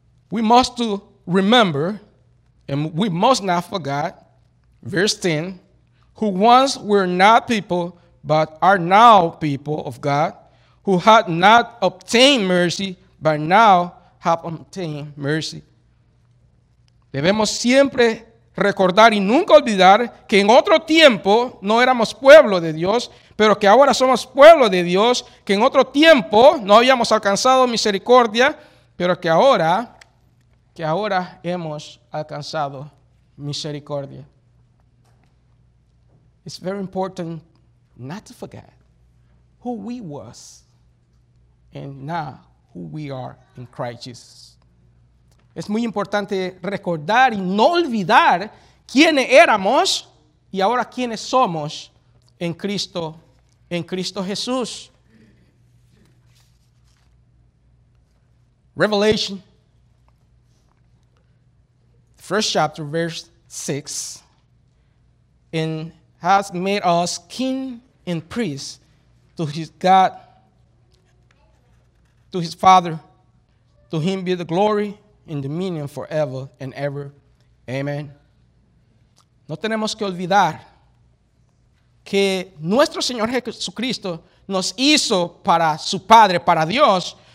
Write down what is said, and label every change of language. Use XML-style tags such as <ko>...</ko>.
<en>We must remember, and we must not forget, verse 10, who once were not people, but are now people of God, who had not obtained mercy, but now have obtained mercy.</en> <es>Debemos siempre recordar y nunca olvidar que en otro tiempo no éramos pueblo de Dios, pero que ahora somos pueblo de Dios, que en otro tiempo no habíamos alcanzado misericordia, pero que ahora hemos alcanzado misericordia.</es> <en>It's very important not to forget who we was and now who we are in Christ Jesus.</en> <es>Es muy importante recordar y no olvidar quiénes éramos y ahora quiénes somos en Cristo Jesús.</es> <en>Revelation, first chapter, verse 6, and has made us king and priests to his God, to his Father, to him be the glory and dominion forever and ever. Amen.</en> <es>No tenemos que olvidar que nuestro Señor Jesucristo nos hizo para su Padre, para Dios.</es>